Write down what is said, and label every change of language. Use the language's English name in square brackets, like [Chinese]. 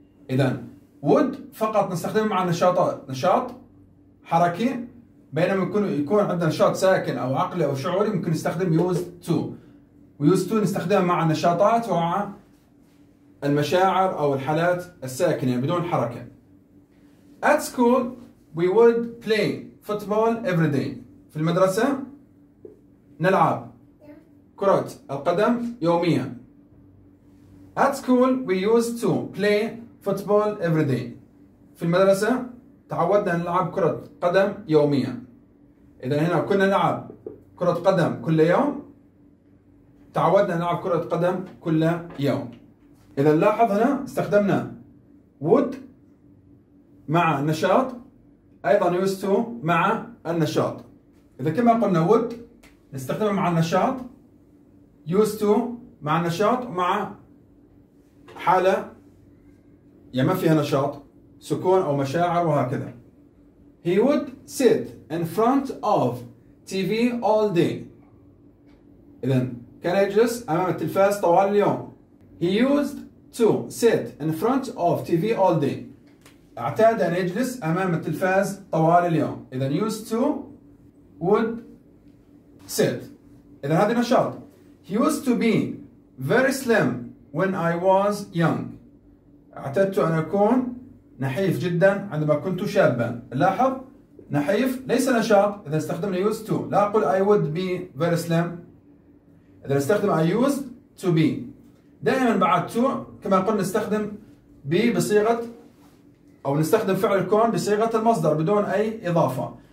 [Arabic] إذن would فقط نستخدمهم عن نشاطات نشاط حركي بينما يكون عندنا نشاط ساكن أو عقلي أو شعوري ممكن نستخدم used to. ويوز تو نستخدمها مع النشاطات ومع المشاعر أو الحالات الساكنة بدون حركة. [English] At school we would play football every day. [Arabic] في المدرسة نلعب كرة القدم يوميا. [English] At school we used to play football every day. [Arabic] في المدرسة تعودنا نلعب كرة قدم يوميا. إذا هنا كنا نلعب كرة قدم كل يوم تعودنا نلعب كرة قدم كل يوم. إذا لاحظ هنا استخدمنا would مع نشاط أيضا used to مع النشاط. إذا كما قلنا would نستخدمه مع النشاط used to مع النشاط ومع حالة يعني ما فيها نشاط سكون أو مشاعر وهكذا. [English] He would sit in front of TV all day. [Arabic] إذا كان يجلس أمام التلفاز طوال اليوم. [English] He used to sit in front of TV all day. [Arabic] اعتاد أن يجلس أمام التلفاز طوال اليوم. إذا [English] used to would sit. [Arabic] إذا هذا نشاط [English] used to be very slim when I was young. [Arabic] اعتدت أن أكون نحيف جدا عندما كنت شابا. لاحظ نحيف ليس نشاط إذا استخدمنا used to. لا أقول [English] I would be very slim. [Arabic] إذا نستخدم [English] I used to be [Arabic] دائما بعد to كما قلنا نستخدم be بصيغة أو نستخدم فعل الكون بصيغة المصدر بدون أي إضافة.